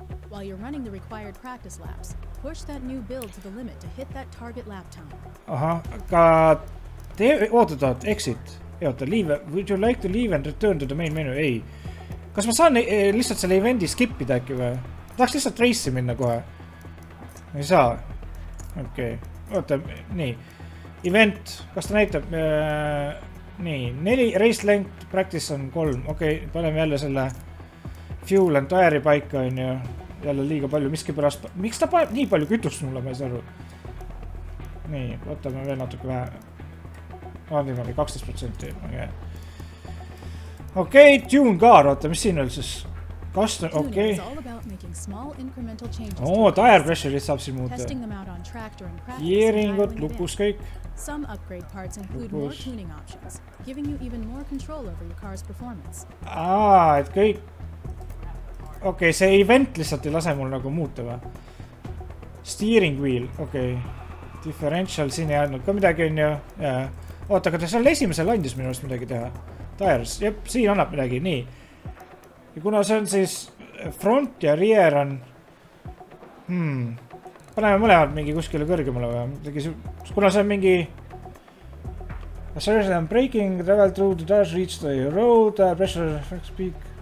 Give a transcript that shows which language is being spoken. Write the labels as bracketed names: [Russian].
[English] While you're running the required practice laps, push that new build to the limit to hit that target lap time. [Estonian] Aha, aga te ootad, [English] exit. [Estonian] Oota, [English] leave, would you like to leave and return to the main menu? [Estonian] Ei. Kas ma saan lihtsalt selle eventi skipida äkki või? Tahaks lihtsalt race'i minna kohe. Ei saa. Okei, okay. Oota, nii. Event, kas ta näitab? Nii, 4 race length, practice on 3. Okei, okay, paneme jälle selle fuel and tire paika on ju. Jälle liiga palju, miski pärast, miks ta paeb nii palju kütust mulle, ma ei saa aru. Nii, võtame veel natuke vähe. Vandime või 12%, okei. Okay. Okei, okay, tune car, oota, mis siin veel siis? Custom, okei. Okay. Oh, tire pressure'it saab siin muuta. Gearingud, lukus kõik. [English] Some upgrade parts include more tuning options, giving you even more control over your car's performance. [Estonian] Ah, et kõik. Okei, okay, see event lihtsalt ei lase mul nagu muuta või? Steering wheel, okei. Okay. Differential, siin ei andnud ka midagi on ju. Yeah. Oota, aga ta seal esimesel andis minu arust midagi teha. Tires, jep, siin annab midagi, nii. Ja kuna see on siis front ja rear on... Hmm. Paneme mõlemad mingi kuskile kõrgemale või? Kuna see on mingi... [English] Assertion on braking, travel through the dash, reach the road, pressure, max speed.